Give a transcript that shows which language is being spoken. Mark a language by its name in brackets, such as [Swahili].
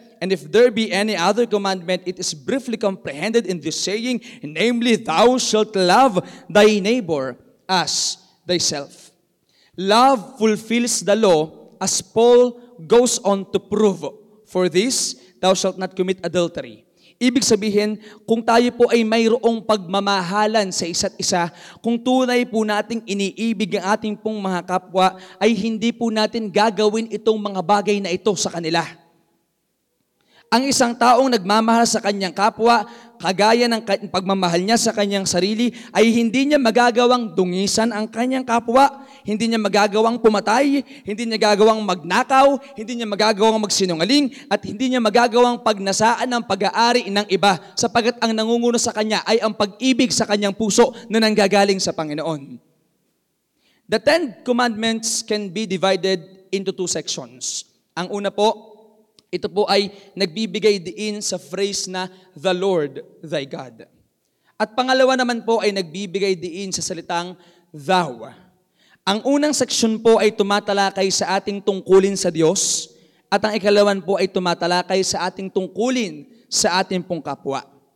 [English] And if there be any other commandment, it is briefly comprehended in this saying, namely, thou shalt love thy neighbor as thyself. Love fulfills the law, as Paul goes on to prove. For this, thou shalt not commit adultery. [Filipino] Ibig sabihin, kung tayo po ay mayroong pagmamahalan sa isa't isa, kung tunay po nating iniibig ang ating pong mga kapwa, ay hindi po natin gagawin itong mga bagay na ito sa kanila. Ang isang taong nagmamahal sa kanyang kapwa, kagaya ng pagmamahal niya sa kanyang sarili, ay hindi niya magagawang dungisan ang kanyang kapwa, hindi niya magagawang pumatay, hindi niya gagawang magnakaw, hindi niya magagawang magsinungaling, at hindi niya magagawang pagnasaan ang pag-aari ng iba, sapagkat ang nangunguna sa kanya ay ang pag-ibig sa kanyang puso na nanggagaling sa Panginoon. [English] The Ten Commandments can be divided into two sections. [Filipino] Ang una po, ito po ay nagbibigay diin sa phrase na [English] the Lord thy God. [Filipino] At pangalawa naman po ay nagbibigay diin sa salitang thou. Ang unang seksyon po ay tumatalakay sa ating tungkulin sa Diyos at ang ikalawan po ay tumatalakay sa ating tungkulin sa ating pong kapwa.